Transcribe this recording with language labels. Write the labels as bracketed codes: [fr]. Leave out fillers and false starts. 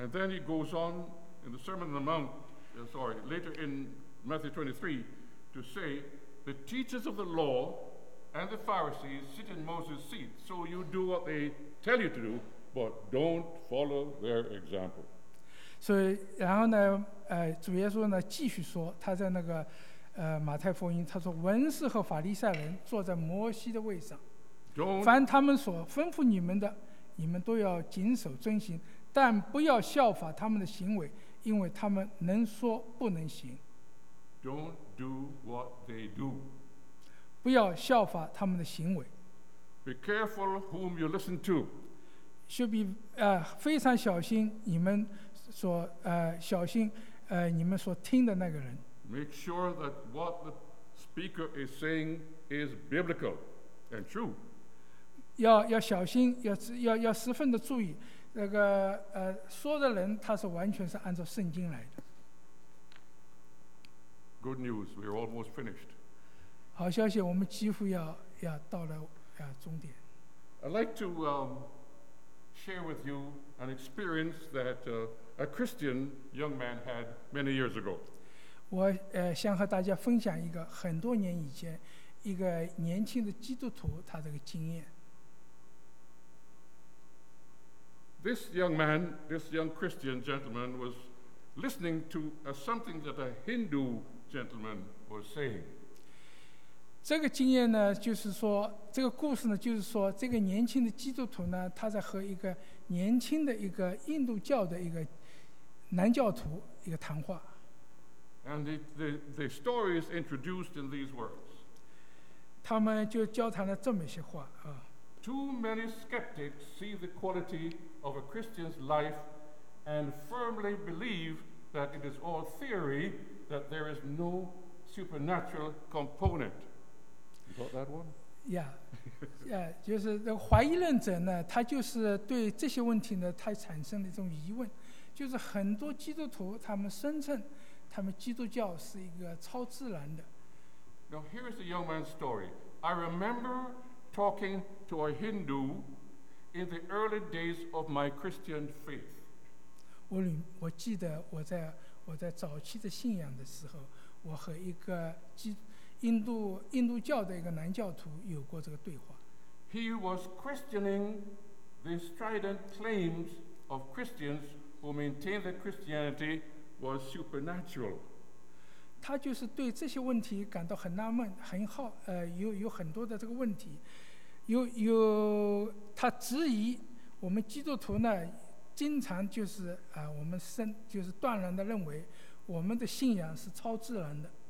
[en] And then he goes on in the Sermon on the Mount, later in Matthew 23, to say, "The teachers of the law and the Pharisees sit in Moses' seat, so you do what they tell you to do, but don't follow their example." [zh] So, 然后呢，主耶稣呢继续说，他在那个，马太福音，他说，文士和法利赛人坐在摩西的位上，凡他们所吩咐你们的，你们都要谨守遵行，但不要效法他们的行为，因为他们能说不能行。 [en] Don't do what they do. [zh] 不要效法他们的行为。 [en] Be careful whom you listen to. [zh] Should be 非常小心你们所小心你们所听的那个人。 [en] Make sure that what the speaker is saying is biblical and true. [zh] 要小心，要十分的注意。那个说的人他是完全是按照圣经来的。 [en] Good news, we're almost finished. [zh] 好消息，我们几乎要到了终点。 [en] I'd like to share with you an experience that a Christian young man had many years ago. [zh] 我想和大家分享一个很多年以前一个年轻的基督徒他这个经验。 [en] This young man, this young Christian gentleman, was listening to something that a Hindu gentleman was saying. [zh] 这个经验呢，就是说，这个故事呢，就是说，这个年轻的基督徒呢，他在和一个年轻的一个印度教的一个男教徒一个谈话。 [en] And the story is introduced in these words. [zh] 他们就交谈了这么一些话啊。 [en] Too many skeptics see the quality of a Christian's life and firmly believe that it is all theory, that there is no supernatural component. You got that one? Yeah. [zh] Yeah, 就是这个怀疑论者呢，他就是对这些问题呢，他产生了一种疑问，就是很多基督徒他们声称他们基督教是一个超自然的。 [en] Now here's a young man's story. I remember talking to a Hindu in the early days of my Christian faith. [zh] 我记得我在早期的信仰的时候，我和一个印度教的一个男教徒有过这个对话。 [en] He was questioning the strident claims of Christians who maintained that Christianity was supernatural. [zh] 他就是对这些问题感到很纳闷，有很多的这个问题。有他质疑我们基督徒呢，经常就是我们就是断然的认为我们的信仰是超自然的。